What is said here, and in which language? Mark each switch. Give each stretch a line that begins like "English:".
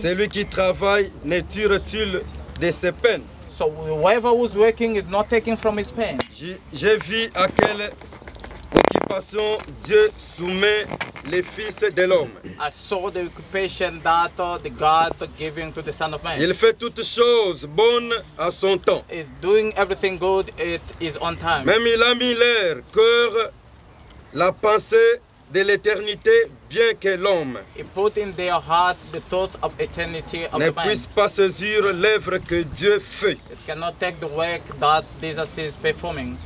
French: Celui qui travaille ne tire-t-il de ses peines?
English: So whoever was working is not taking from his pain.
French: Je vis à quelle occupation Dieu soumet les fils de l'homme.
English: I saw the occupation that the God giving to the Son of Man.
French: Il fait toutes choses bonnes à son temps.
English: He's doing everything good at his own time.
French: Même il a mis l'air, cœur, la pensée de l'éternité, bien que l'homme.
English: He put in their heart the thoughts of eternity of
French: ne puisse pas saisir l'œuvre que Dieu fait.
English: It cannot take the work that Jesus is performing.